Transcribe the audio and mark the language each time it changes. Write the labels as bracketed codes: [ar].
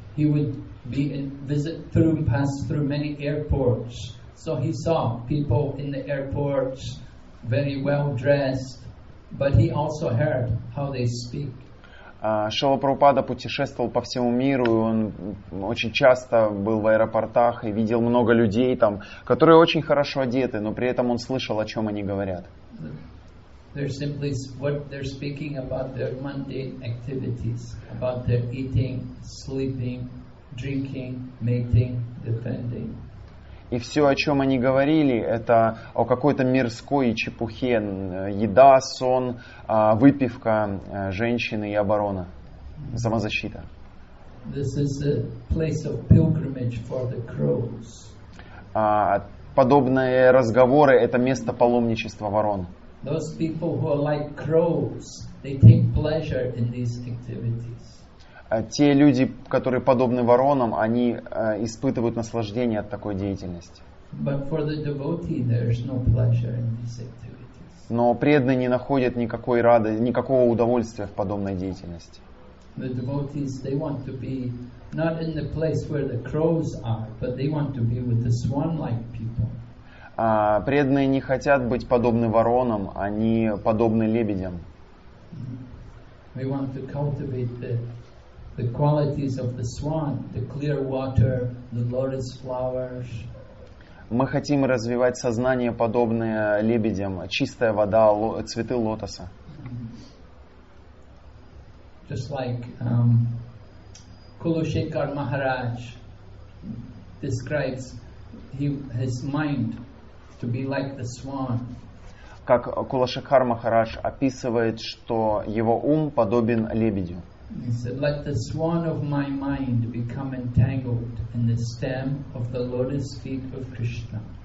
[en] He would be in visit through, pass through many airports. So he saw people in the airports, very well dressed, but he also heard how they speak. [ru] Шрила Прабхупада путешествовал по всему миру, и он очень часто был в аэропортах и видел много людей там, которые очень хорошо одеты, но при этом он слышал, о чем они говорят. [en] They're simply what they're speaking about their mundane activities, about their eating, sleeping, drinking, mating, defending. [ru] И все, о чем они говорили, это о какой-то мирской чепухе. Еда, сон, выпивка, женщины и оборона. Самозащита. [en] This is a place of pilgrimage for the crows. [ru] Подобные разговоры — это место паломничества ворон. [en] Those people who are like crows, they take pleasure in these activities. [ru] Те люди, которые подобны воронам, они испытывают наслаждение от такой деятельности. [en] But for the devotee, there is no pleasure in these activities. [ru] Но преданный не находит никакой радости, никакого удовольствия в подобной деятельности. [en] The devotees, they want to be not in the place where the crows are, but they want to be with the swan-like people. [ru] Преданные не хотят быть подобны воронам, они подобны лебедям. [en] We want to cultivate the qualities of the swan, the clear water, the lotus flowers. [ru] Мы хотим развивать сознание подобное лебедям, чистая вода, цветы лотоса. [en] Just like Kulushekhar Maharaj, describes his mind to be like the swan. [ru] Как Кулашакар Махарадж описывает, что его ум подобен лебедю. [en] He said, "Let the swan of my mind become entangled in the stem of the lotus feet of Krishna."